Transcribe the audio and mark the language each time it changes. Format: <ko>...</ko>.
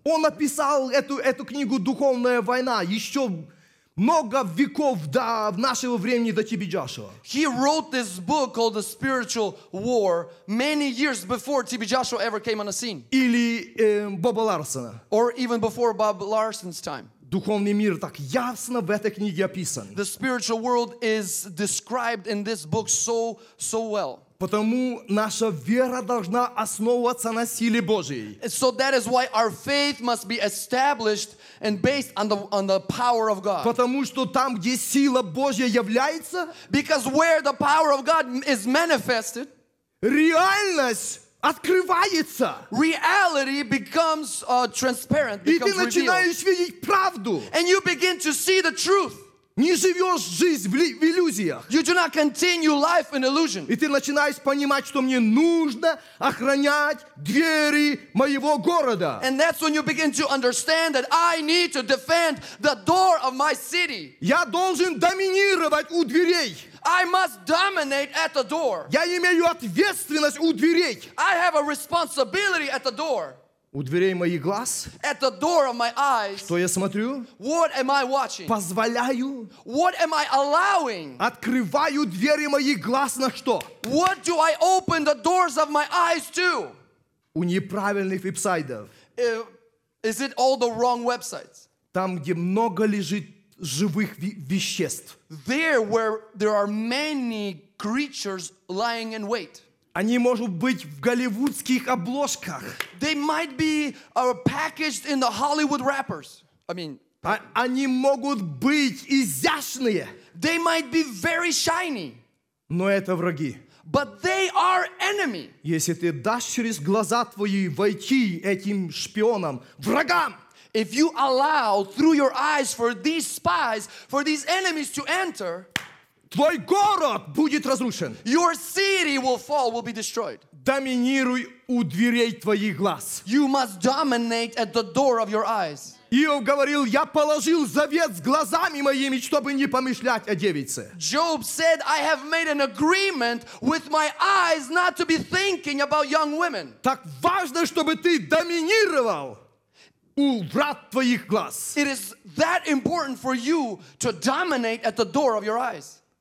<ru>Он написал эту книгу «Духовная война» еще много веков до нашего времени, до Тиби Джошуа.</ru> <en>He wrote this book called «The Spiritual War» many years before Тиби Джошуа ever came on the scene.</en> <ru>Или Боба Ларсона.</ru> <en>Or even before Bob Larson's time.</en> <ru>Духовный мир так ясно в этой книге описан.</ru> <en>The spiritual world is described in this book so well.</en> <ru>Потому наша вера должна основываться на силе Божьей.</ru> <en>So that is why our faith must be established and based on the power of God.</en> <ru>Потому что там, где сила Божья является,</ru> <en>because where the power of God is manifested,</en> <ru>реальность открывается.</ru> <en>Reality becomes transparent,</en> <ru>и ты начинаешь Видеть правду.</ru> <en>And you begin to see the truth.</en> <ru>Не живешь жизнь в иллюзиях.</ru> <en>You do not continue life in illusion.</en> <ru>И ты начинаешь понимать, что мне нужно охранять двери моего города.</ru> <en>And that's when you begin to understand that I need to defend the door of my city.</en> <ru>Я должен доминировать у дверей.</ru> <en>I must dominate at the door.</en> <ru>Я имею ответственность у дверей.</ru> <en>I have a responsibility at the door.</en> <ru>у дверей моих глаз,</ru> <en>at the door of my eyes,</en> <ru>что я смотрю,</ru> <en>what am I watching,</en> <ru>позволяю,</ru> <en>what am I allowing,</en> <ru>открываю двери моих глаз на что,</ru> <en>what do I open the doors of my eyes to,</en> <ru>у неправильных веб-сайтов,</ru> <en>is it all the wrong websites,</en> <ru>там, где много лежит живых веществ,</ru> <en>there where there are many creatures lying in wait.</en> <ru>Они могут быть в голливудских обложках.</ru> <en>They might be packaged in the Hollywood wrappers. I mean,</en> <ru>они могут быть изящные.</ru> <en>They might be very shiny.</en> <ru>Но это враги.</ru> <en>But they are enemy.</en> <ru>Если ты дашь через глаза твои войти этим шпионам, врагам.</ru> <en>If you allow through your eyes for these spies, for these enemies to enter,</en> <ru>твой город будет разрушен.</ru> <en>Your city will fall, will be destroyed.</en> <ru>Доминируй у дверей твоих глаз.</ru> <en>You must dominate at the door of your eyes.</en> <ru>Иов говорил, я положил завет с глазами моими, чтобы не помышлять о девице.</ru> <en>Job said, I have made an agreement with my eyes not to be thinking about young women.</en> <ru>Так важно, чтобы ты доминировал у врат твоих глаз.</ru> <en>It is that important for you to dominate at the door of your eyes.</en>